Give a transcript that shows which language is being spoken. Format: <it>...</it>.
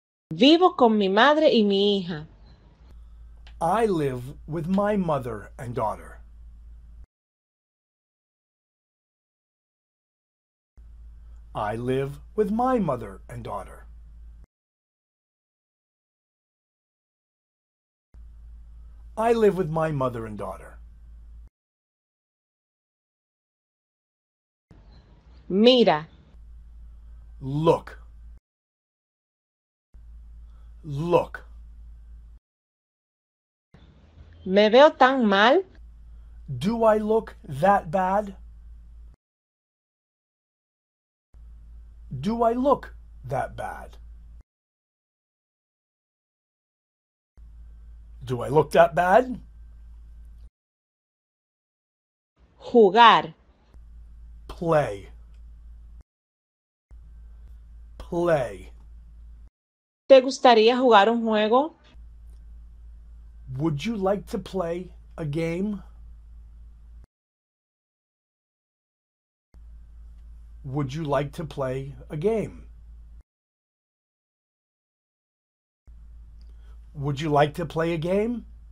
<es>Vivo con mi madre y mi hija.</es> <en>I live with my mother and daughter. I live with my mother and daughter. I live with my mother and daughter.</en> <es>Mira.</es> <en>Look. Look.</en> <es>Me veo tan mal.</es> <en>Do I look that bad? Do I look that bad? Do I look that bad?</en> <es>Jugar.</es> <en>Play. Play.</en> <es>¿Te gustaría jugar un juego?</es> <en>Would you like to play a game? Would you like to play a game? Would you like to play a game?</en>